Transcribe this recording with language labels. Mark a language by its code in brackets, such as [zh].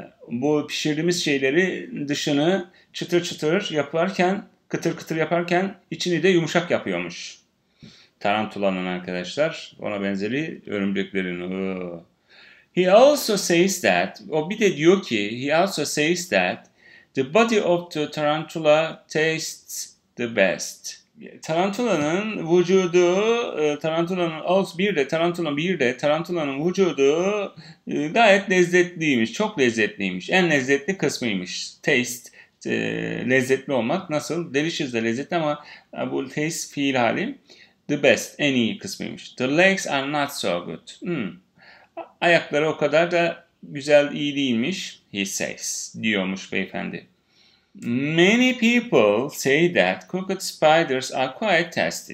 [tr] Bu pişirdiğimiz şeyleri dışını çıtır çıtır yaparken, kıtır kıtır yaparken içini de yumuşak yapıyormuş. Tarantulanın arkadaşlar. Ona benzeri örümceklerin. [en] He also says that, [tr] o bir de diyor ki, [en] he also says that the body of the tarantula tastes the best. [tr] Tarantulanın vücudu, tarantulanın vücudu gayet lezzetliymiş, çok lezzetliymiş. En lezzetli kısmıymış. Taste, lezzetli olmak nasıl? Delicious de lezzetli ama bu taste fiil hali. [en] The best, [tr] en iyi kısmıymış. [en] The legs are not so good. [tr] Ayakları o kadar da güzel, iyi değilmiş, [en] he says, [tr] diyormuş beyefendi. [en] Many people say that crooked spiders are quite tasty.